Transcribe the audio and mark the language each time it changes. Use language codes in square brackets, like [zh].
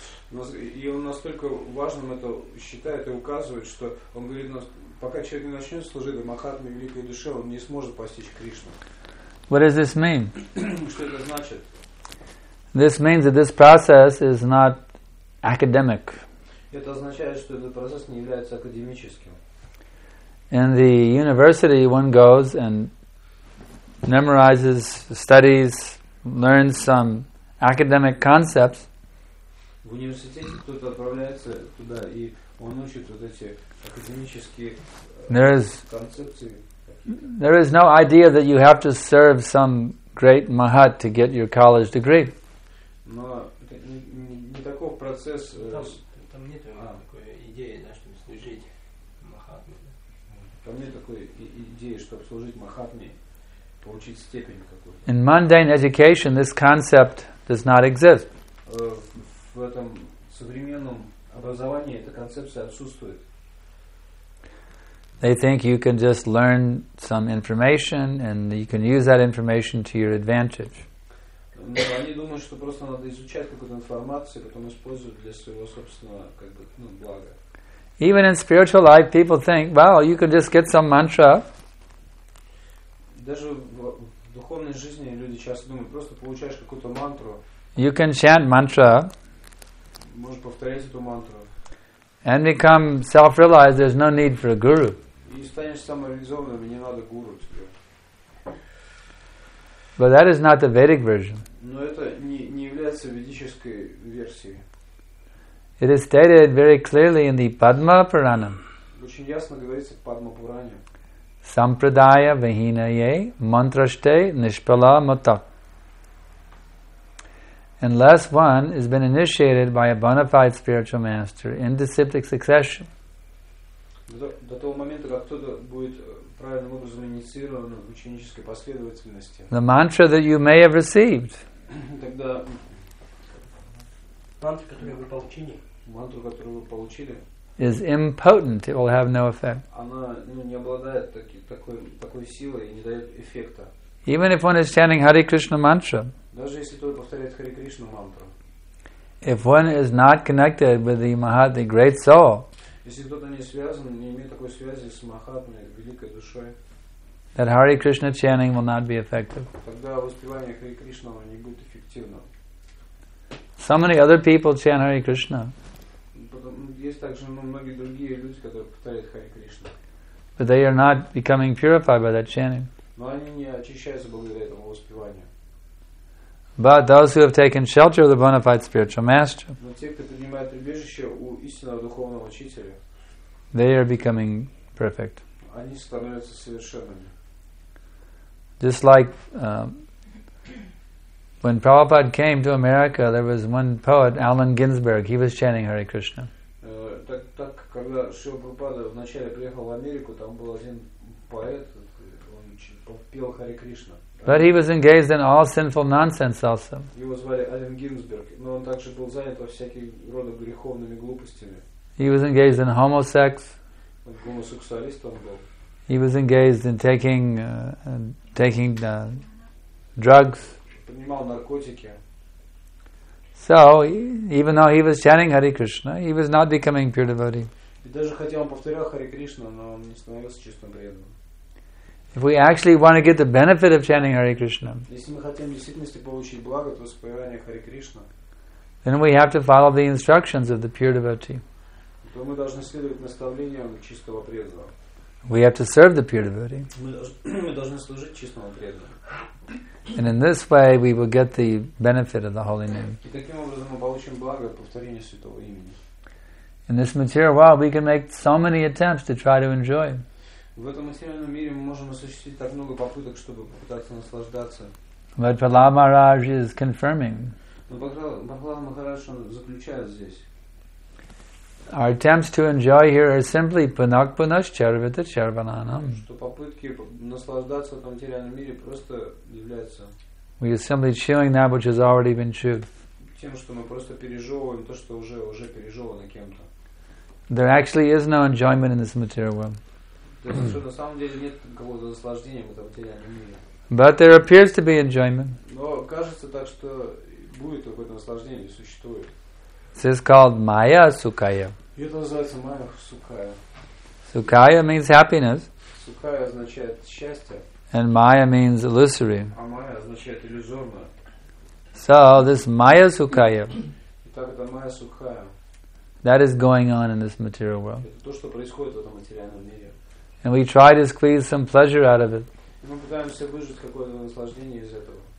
[ru] И он настолько важным это считает и указывает, что он говорит, пока человек не начнет служить Махатме великой душе, он не сможет постичь Кришну. [en] What does this mean? [ru] Что это значит? [en] This means that this process is not academic. [ru] Это означает, что этот процесс не является академическим. [en] In the university, one goes and memorizes, studies, learns some academic concepts. [ru] В университете кто-то отправляется туда, и он учит вот эти академические концепции. [en] There is no idea that you have to serve some great Mahat to get your college degree. [ru] Но не такой процесс. Там нет такой идеи, чтобы служить Махатме. Там нет такой идеи, чтобы служить Махатме, получить степень какую-то. [en] In mundane education, this concept does not exist. [ru] В этом современном образовании эта концепция отсутствует. [en] They think you can just learn some information and you can use that information to your advantage. [ru] Но они думают, что просто надо изучать какую-то информацию, потом использовать для своего собственного блага. [en] Even in spiritual life, people think, well, you can just get some mantra. [ru] Даже в духовной жизни люди часто думают, просто получаешь какую-то мантру. [en] You can chant mantra. [ru] Можешь повторять эту мантру. [en] And become self-realized, there's no need for a guru. [ru] И станешь самореализованным, не надо гуру тебе. [en] But that is not the Vedic version. [ru] Но это не является ведической версией. [en] It is stated very clearly in the Padma Purana. [ru] Очень ясно говорится в Падма Пуране. [sa] Sampradaya vahinaye mantraste nishpala matak. [en] Unless one has been initiated by a bona fide spiritual master in disciplic succession. [ru] До того момента, как кто-то будет правильным образом инициирован в ученической последовательности. [en] The mantra that you may have received. [ru] Тогда мантру, которую вы получили, [en] is impotent, it will have no effect. [ru] Она не обладает такой силой и не дает эффекта. [en] Even if one is chanting Hare Krishna mantra, [ru] даже если кто-то повторяет Хари Кришну мантру, [en] if one is not connected with the Mahat, the great soul, [ru] если кто-то не связан, не имеет такой связи с Махатмой, великой душой, [en] that Hare Krishna chanting will not be effective. [ru] Тогда воспевание Хари Кришна не будет эффективным. [en] So many other people chant Hare Krishna. [ru] Есть также многие другие люди, которые повторяют Хари Кришна. [en] But they are not becoming purified by that chanting. [ru] Но они не очищаются благодаря этому воспеванию. [en] But those who have taken shelter of the bona fide spiritual master, [ru] но те, кто принимает прибежище у истинного духовного учителя, [en] they are becoming perfect. [ru] Они становятся совершенными. [en] Just like when Prabhupada came to America, there was one poet, Allen Ginsberg. He was chanting Hare Krishna. [ru] Так когда Шрила Прабхупада вначале приехал в Америку, там был один поэт, он пел Харе Кришна. [en] But he was engaged in all sinful nonsense also. [ru] Его звали Аллен Гинзберг, но он также был занят во всяких рода греховными глупостями. [en] He was engaged in homosex. [ru] Он гомосексуалист он был. [en] He was engaged in taking drugs. [ru] Принимал наркотики. [en] So, even though he was chanting Hare Krishna, he was not becoming pure devotee. [ru] И даже хотя он повторял Харе Кришна, но он не становился чистым преданным. [en] If we actually want to get the benefit of chanting Hare Krishna, [ru] если мы хотим в действительности получить благо от воспевания Харе Кришна, [en] then we have to follow the instructions of the pure devotee. [ru] То мы должны следовать наставлениям чистого преданного. [en] We have to serve the pure devotee. [ru] Мы должны служить чистому преданному. [en] And in this way, we will get the benefit of the holy name. [ru] И таким образом мы получим благо от повторения святого имени. [en] In this material world, we can make so many attempts to try to enjoy. [ru] В этом материальном мире мы можем осуществить так много попыток, чтобы попытаться наслаждаться. [en] But Prahlada Maharaj is confirming. [ru] Но Прахлада Махарадж заключает здесь. [en] Our attempts to enjoy here are simply [sa] punak punash charvita charvananam. [ru] Что попытки наслаждаться в этом материальном мире просто являются. [en] We are simply chewing that which has already been chewed. [ru] Тем, что мы просто пережевываем то, что уже пережевано кем-то. [en] There actually is no enjoyment in this material world. [ru] То есть, что на самом деле нет какого-то наслаждения в этом материальном мире. [en] But there appears to be enjoyment. [ru] Но кажется так, что будет какое-то наслаждение, существует. [en] This is called Maya Sukaya. [ru] Это называется Maya Sukaya. [en] Sukaya means happiness. [ru] Sukaya означает счастье. [en] And Maya means illusory. [ru] А Maya означает иллюзорное. [en] So this Maya Sukaya. [ru] Итак, это Maya Sukaya. [en] That is going on in this material world. [ru] Это то, что происходит в этом материальном мире. [en] And we try to squeeze some pleasure out of it. [ru] И мы пытаемся выжать какое-то наслаждение из этого.